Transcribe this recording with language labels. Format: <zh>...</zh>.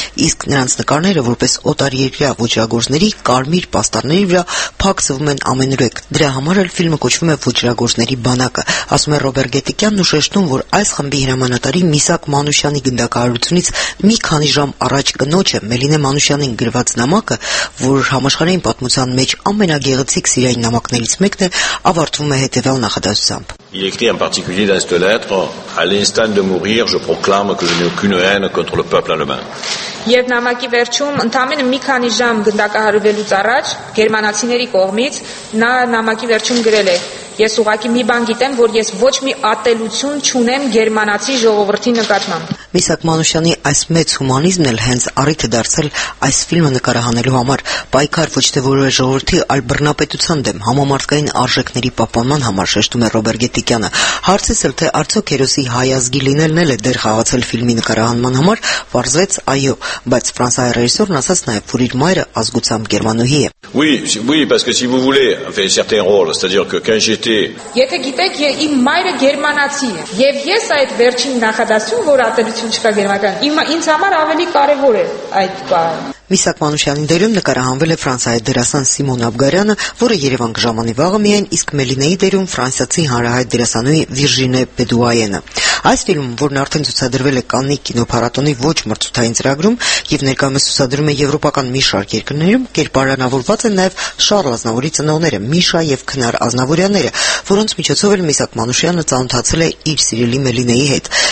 <hy>իսկ նրանց նկարները որպես օտարերկրյա ոչրագործների կարմիր պաստառների վրա փակսվում են ամենուրեք։ Դրա համար էլ ֆիլմը կոչվում է «Ոչրագործների բանակը», ասում է Ռոբեր Գետիկյանն ու շեշտում, որ այս խմբի հրամանատարի Միսակ Մանուշյանի գնդակահարությունից մի քանի ժամ առաջ կնոջը Մելինե Մանուշյանին գրված նամակը, որ համաշխարհային պատմության մեջ ամենագեղեցիկ սիրային նամակներից մեկն է, ավարտվում է հետևյալ նախադասությամբ.</hy> <fr>Il écrit en particulier dans cette lettre « À l'instant de mourir, je proclame que je n'ai aucune haine contre le peuple allemand. »</fr> <hy>Եվ նամակի վերջում, ընդամենը մի քանի ժամ գնդակահարվելուց առաջ, գերմանացիների կողմից, նա նամակի վերջում գրել է. Ես ուղղակի մի բան գիտեմ, որ ես ոչ մի ատելություն չունեմ գերմանացի ժողովրդի նկատմամբ։ Միսակ Մանուշյանի այս մեծ հումանիզմն էլ հենց առիթ է դարձել այս ֆիլմը նկարահանելու համար։ Պայքար ոչ թե որևէ ժողովրդի, այլ բռնապետության դեմ, համամարտկային արժեքների պահպանման համար, շեշտում է Ռոբեր Գետիկյանը։ Հարցիս էլ, թե արդյոք հերոսի հայ ազգի լինելն էլ է դեր խաղացել ֆիլմի նկարահանման համար, պարզվեց այո, բայց ֆրանսահայ ռեժիսորն ասաց նաև, որ իր մայրը ազգությամբ գերմանուհի է։</hy> <fr>Oui, oui, parce que si vous voulez, enfin certains rôles, c'est-à-dire que quand j'étais</fr> <hy>Եթե գիտեք, իմ մայրը գերմանացի է, եւ ես այդ վերջին նախադասում, որ ատելություն չկա գերմանական, ինձ համար ավելի կարևոր է այդ բանը։ Միսակ Մանուշյանի դերում նկարահանվել է ֆրանսայի դերասան Սիմոն Աբգարյանը, որը Երևան կժամանի վաղը միայն, իսկ Մելինեի դերում ֆրանսիացի հանրահայտ դերասանուհի Վիրժինե Պեդուայենը։ Այս ֆիլմը, որն արդեն ցուցադրվել է Կաննի կինոփառատոնի ոչ մրցութային ծրագրում և ներկայումս ցուցադրվում է եվրոպական մի շարք երկրներում, կերպարանավորված են նաև Շառլ Ազնավորի ծնողները՝ Միշա և Քնար Ազնավորյանները, որոնց միջոցով էլ Միսակ Մանուշյանը ծանոթացել է իր սիրելի Մելինեի հետ։</hy>